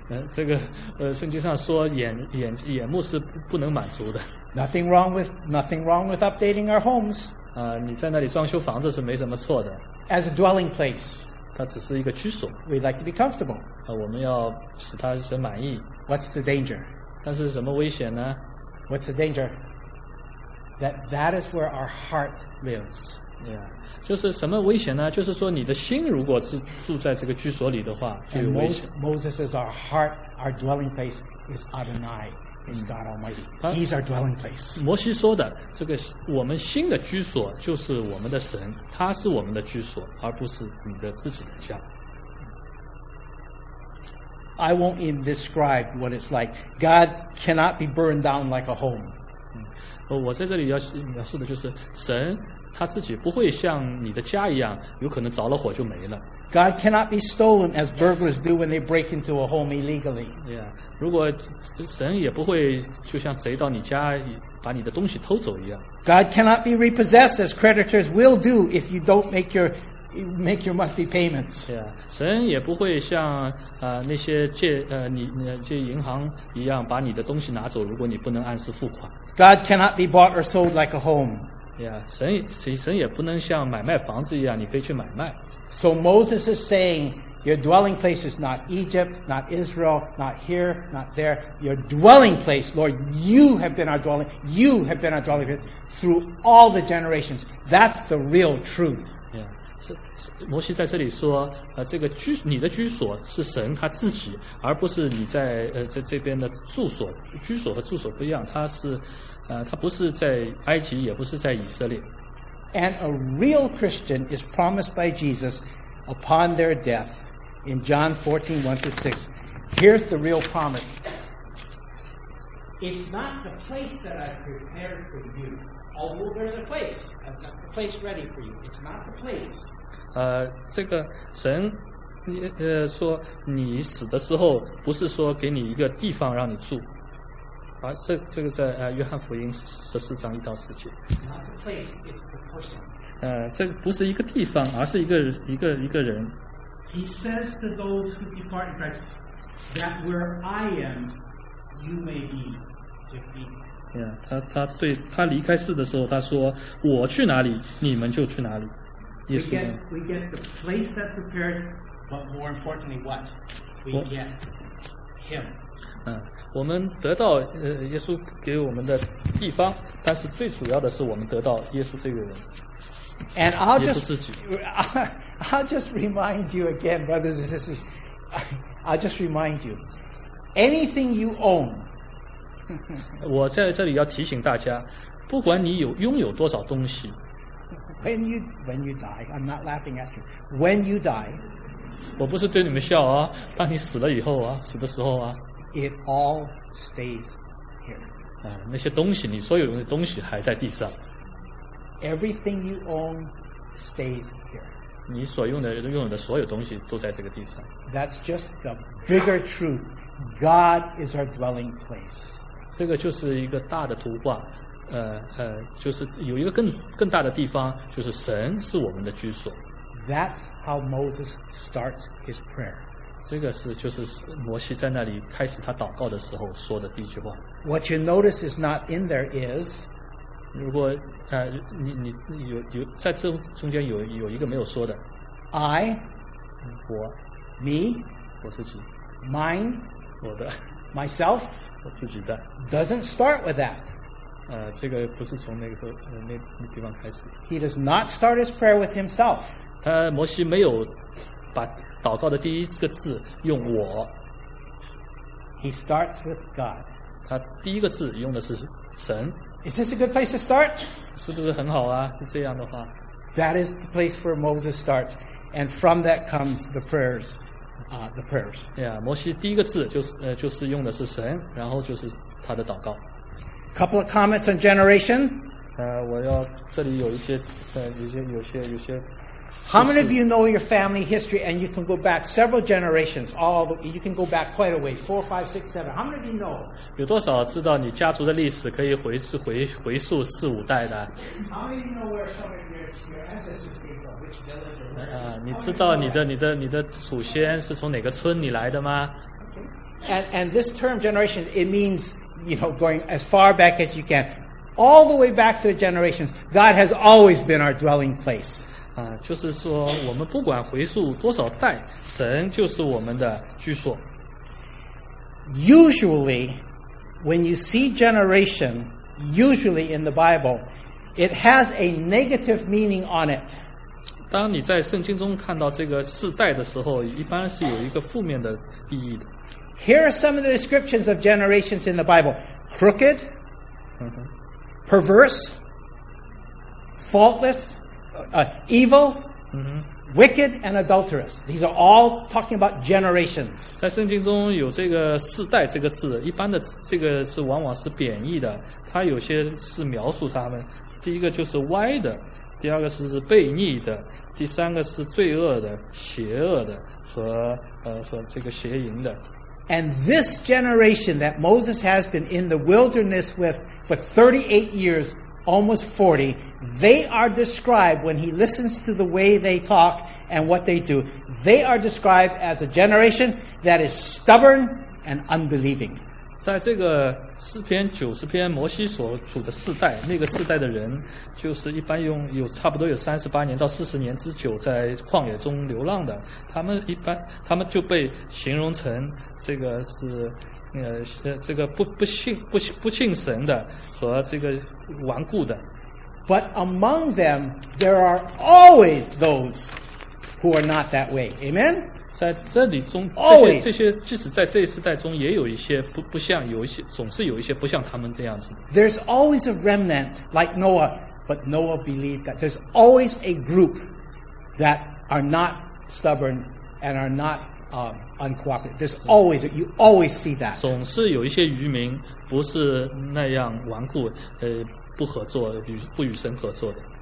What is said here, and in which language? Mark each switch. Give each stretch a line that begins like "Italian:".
Chinese: 这个圣经上说眼目是不能满足的。
English: Nothing wrong with updating our homes.
Chinese: 你在那里装修房子是没什么错的。
English: As a dwelling place.
Chinese: 它只是一个居所。
English: We'd like to be comfortable.
Chinese: 我们要使它很满意。
English: What's the danger?
Chinese: 但是什么危险呢？
English: What's the danger? That is where our heart lives. Yeah.
Chinese: 就是什么危险呢？就是说你的心如果是住在这个居所里的话，就有危险。
English: Moses says our heart, our dwelling place is Adonai. Is God Almighty? He's our dwelling place.
Chinese: 摩西说的这个我们心的居所就是我们的神，他是我们的居所，而不是你的自己的家。
English: I won't even describe what it's like. God cannot be burned down like a home.
Chinese: 我在这里要描述的就是神他自己不会像你的家一样，有可能着了火就没了。
English: God cannot be stolen as burglars do when they break into a home illegally.
Chinese: Yeah, 如果神也不会就像贼到你家把你的东西偷走一样。
English: God cannot be repossessed as creditors will do if you don't make your monthly payments.
Chinese: Yeah, 神也不会像那些借银行一样把你的东西拿走，如果你不能按时付款。
English: God cannot be bought or sold like a home.
Chinese: Yeah, 神也不能像买卖房子一样，你可以去买卖。
English: So Moses is saying, your dwelling place is not Egypt, not Israel, not here, not there. Your dwelling place, Lord, you have been our dwelling. You have been our dwelling place through all the generations. That's the real truth.
Chinese: Yeah, 摩西在这里说，这个居你的居所是神他自己，而不是你在在这边的住所。居所和住所不一样，他是。他不是在埃及，也不是在以色列。
English: And a real Christian is promised by Jesus upon their death in John 14:1-6. Here's the real promise. It's not the place that I prepared for you. Although there's a place, I've got the place ready for you. It's not the place.
Chinese: 这个神说你死的时候不是说给你一个地方让你住。这个在约翰福音14:1-4。这不是一个地方，而是一个人。
English: He says to those who depart in Christ, that where I am, you may be.
Chinese: Yeah, 他对他离开世的时候，他说我去哪里，你们就去哪里。
English: We get the place that's prepared, but more importantly, what we get him.
Chinese: 我们得到耶稣给我们的地方，但是最主要的是我们得到耶稣这个人。
English: And I'll just remind you again, brothers and sisters. I'll just remind you, anything you own.
Chinese: 我在这里要提醒大家，不管你拥有多少东西。
English: When you die, I'm not laughing at you. When you die.
Chinese: 我不是对你们笑啊，当你死了以后啊，死的时候啊。
English: It all stays here.
Chinese: 那些东西，你所有的东西还在地上。
English: Everything you own stays here.
Chinese: 你所拥有的所有东西都在这个地上。
English: That's just the bigger truth. God is our dwelling place.
Chinese: 这个就是一个大的图画，就是有一个更大的地方，就是神是我们的居所。
English: That's how Moses starts his prayer.
Chinese: 这个是就是摩西在那里开始他祷告的时候说的第一句话。
English: What you notice is not in there is.
Chinese: 如果你有在这中间有一个没有说的。
English: I.
Chinese: 我。
English: Me.
Chinese: 我自己。
English: Mine.
Chinese: 我的。
English: Myself.
Chinese: 我自己的。
English: Doesn't start with that.
Chinese: 这个不是从那个时候那地方开始。
English: He does not start his prayer with himself.
Chinese: 他摩西没有把。祷告的第一个字用我。
English: He starts with God.
Chinese: 他第一个字用的是神。
English: Is this a good place to start?
Chinese: 是不是很好啊？是这样的话。
English: That is the place where Moses starts, and from that comes the prayers, the prayers.
Chinese: Yeah, 摩西第一个字就是用的是神，然后就是他的祷告。
English: Couple of comments on generation.
Chinese: 我要这里有一些，有些。
English: How many of you know your family history and you can go back several generations? You can go back quite a way, 4, 5, 6, 7. How many of you know?
Chinese: 有多少知道你家族的历史可以回溯四五代的？
English: How many of you know where some of your ancestors came from? Which village?
Chinese: 你知道你的祖先是从哪个村里来的吗？
English: Okay. And this term generation, it means, you know, going as far back as you can. All the way back through the generations, God has always been our dwelling place.
Chinese: 就是说我们不管回溯多少代，神就是我们的居所。
English: Usually, when you see generation, usually in the Bible, it has a negative meaning on it.
Chinese: 当你在圣经中看到这个世代的时候，一般是有一个负面的意义的。
English: Here are some of the descriptions of generations in the Bible. Crooked, perverse, faultless, evil, wicked, and adulterous. These are all talking about generations.
Chinese: 在圣经中有这个世代这个字，一般的这个是往往是贬义的，它有些是描述他们，第一个就是歪的，第二个是悖逆的，第三个是罪恶的，邪恶的，和这个邪淫的。
English: And this generation that Moses has been in the wilderness with for 38 years, almost 40, they are described when he listens to the way they talk and what they do. They are described as a generation that is stubborn and unbelieving.
Chinese: 在这个诗篇90篇摩西所处的世代，那个世代的人就是一般用有差不多有38年到40年之久在旷野中流浪的，他们就被形容成这个是这个不信神的和这个顽固的。
English: But among them there are always those who are not that way. Amen.
Chinese: 在这里中这些即使在这一世代中也有一些 不像有一些总是有一些不像他们这样子。
English: There's always a remnant like Noah, but Noah believed that. There's always a group that are not stubborn and are notuncooperative. There's always, you always see that.
Chinese: 总是有一些渔民不是那样顽固，不合作，不与神合作的。